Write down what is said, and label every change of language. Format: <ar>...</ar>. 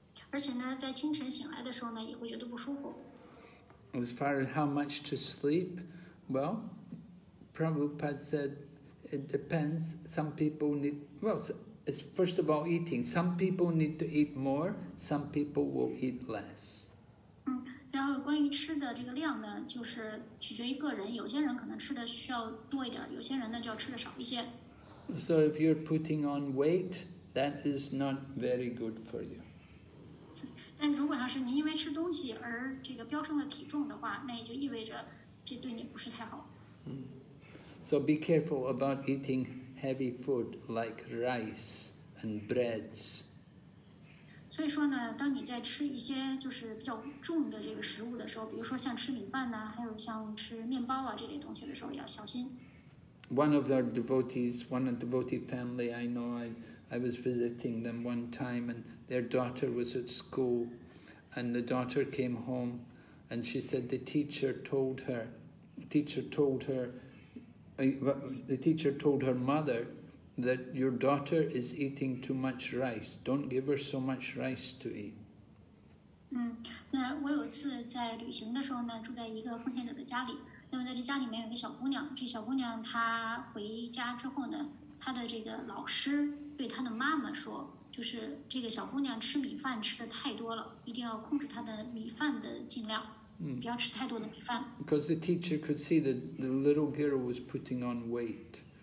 <zh>而且呢，在清晨醒来的时候呢，也会觉得不舒服。</zh> <en>As far as how much to sleep, well, Prabhupada said it depends. Some people need, well,It's first of all eating. Some people need to eat more. Some people will eat less.</en> <zh>然后关于吃的这个量呢，就是取决于个人。有些人可能吃的需要多一点，有些人呢就要吃的少一些。</zh> <en>So if you're putting on weight, that is not very good for you.</en> <zh>但如果要是你因为吃东西而这个飙升了体重的话，那也就意味着这对你不是太好。</zh> <en>So be careful about eating. Heavy food like rice and breads.</en> <zh>所以说呢，当你在吃一些就是比较重的这个食物的时候，比如说像吃米饭呐，还有像吃面包啊这类东西的时候，要小心。</zh> <en>One of our devotees, one of the devotee family I know, I was visiting them one time, and their daughter was at school, and the daughter came home, and she said the teacher told her. The teacher told her mother that your daughter is eating too much rice. Don't give her so much rice to eat.</en> <zh>那我有一次在旅行的时候呢，住在一个奉献者的家里。那么在这家里面有一个小姑娘，这小姑娘她回家之后呢，她的这个老师对她的妈妈说，就是这个小姑娘吃米饭吃的太多了，一定要控制她的米饭的进量。</zh> <en>Because the teacher could see that the little girl was putting on weight.</en>